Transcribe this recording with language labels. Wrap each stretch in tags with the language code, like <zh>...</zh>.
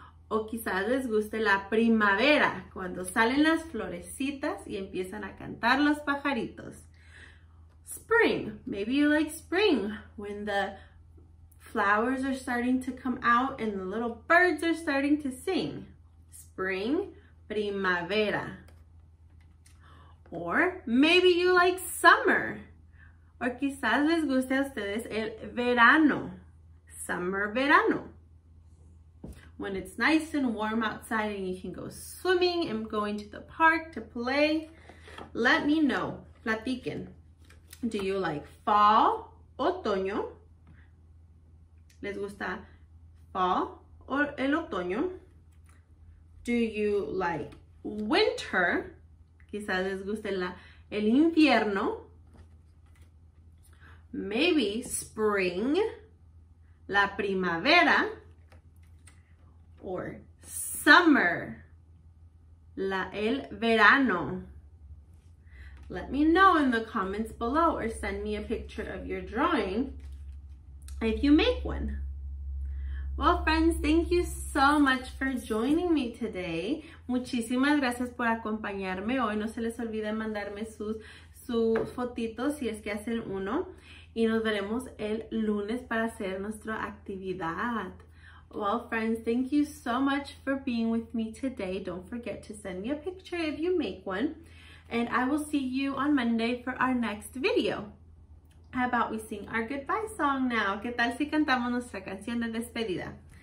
<es>O quizás les guste la primavera, cuando salen las florecitas y empiezan a cantar los pajaritos.</es> <en>Spring. Maybe you like spring, when the flowers are starting to come out and the little birds are starting to sing. Spring, primavera. Or maybe you like summer.</en> <es>O quizás les guste a ustedes el verano.</es> <en>Summer, verano. When it's nice and warm outside and you can go swimming and going to the park to play, let me know.</en> <es>Platiquen.</es> <en>Do you like fall, otoño?</en> <es>¿Les gusta fall o el otoño?</es> <en>Do you like winter?</en> <es>Quizás les guste el invierno.</es> <en>Maybe spring, la primavera, or summer, el verano. Let me know in the comments below or send me a picture of your drawing if you make one. Well, friends, thank you so much for joining me today.</en> <es>Muchísimas gracias por acompañarme hoy. No se les olvide mandarme sus fotitos si es que hacen uno. Y nos veremos el lunes para hacer nuestra actividad.</es> <en>Well, friends, thank you so much for being with me today. Don't forget to send me a picture if you make one. And I will see you on Monday for our next video. How about we sing our goodbye song now?</en> <es>¿Qué tal si cantamos nuestra canción de despedida?</es>